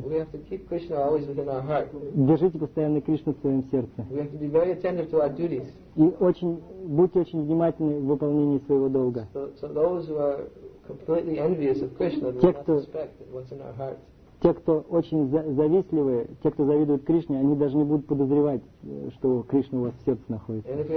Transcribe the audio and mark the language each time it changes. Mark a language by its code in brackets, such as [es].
[en] We have to keep Krishna always within our heart. [ru] Держите постоянно Кришну в своем сердце. [en] We have to be very attentive to our duties. [ru] И будьте очень внимательны в выполнении своего долга. [en] So those who are completely envious of Krishna, they will not suspect what's in our hearts. [ru] те, кто очень завистливые, те, кто завидует Кришне, они даже не будут подозревать, что Кришна у вас в сердце находится.